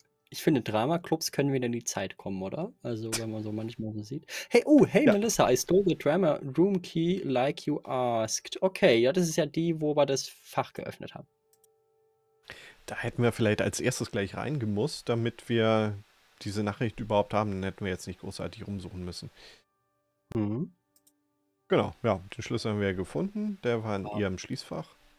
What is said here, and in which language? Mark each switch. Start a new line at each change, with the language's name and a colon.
German: Ich finde, Drama-Clubs können wieder in die Zeit kommen, oder? Also, wenn man so manchmal so sieht. Hey, ja.
English: Melissa, I stole the drama room key like you asked.
German: Okay, ja, das ist ja die, wo wir das Fach geöffnet haben. Da hätten wir vielleicht als erstes gleich reingemusst, damit wir diese Nachricht überhaupt haben. Dann hätten wir jetzt nicht großartig rumsuchen müssen. Mhm. Genau, ja, den Schlüssel haben wir ja gefunden. Der war in ihrem Schließfach.